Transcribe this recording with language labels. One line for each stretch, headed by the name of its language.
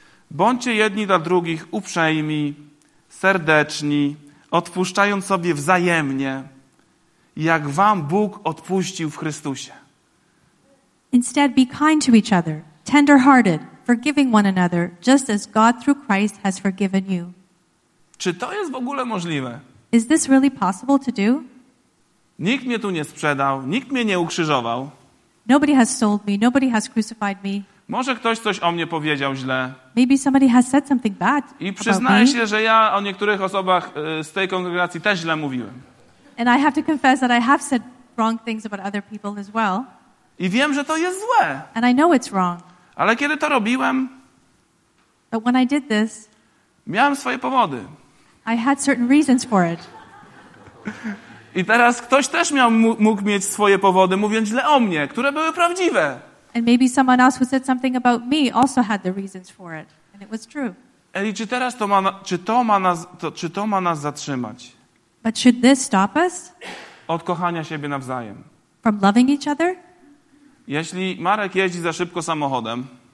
Polish: bądźcie jedni dla drugich uprzejmi, serdeczni, odpuszczając sobie wzajemnie, jak wam Bóg odpuścił w Chrystusie.
English: Instead, be kind to each other, tender-hearted, forgiving one another, just as God through Christ has forgiven you.
Polish: Czy to jest w ogóle możliwe?
English: Is this really possible to do?
Polish: Nikt mnie tu nie sprzedał, nikt mnie nie ukrzyżował.
English: Nobody has sold me, nobody has crucified me.
Polish: Może ktoś coś o mnie powiedział źle.
English: Maybe somebody has said something bad.
Polish: I przyznaję się, że ja o niektórych osobach z tej kongregacji też źle mówiłem.
English: And I have to confess that I have said wrong things about other people as well.
Polish: I wiem, że to jest złe.
English: And I know it's wrong.
Polish: Ale kiedy to robiłem,
English: but when I did this,
Polish: miałem swoje powody.
English: I had certain reasons for it.
Polish: I teraz ktoś też mógł mieć swoje powody, mówiąc źle o mnie, które były prawdziwe.
English: And maybe someone else who said something about me also had the reasons for it, and it was true.
Polish: Eli, czy teraz to ma, czy to ma nas zatrzymać?
English: But should this stop us?
Polish: Od kochania siebie nawzajem.
English: From loving each other?
Polish: Jeśli Marek jeździ za szybko samochodem,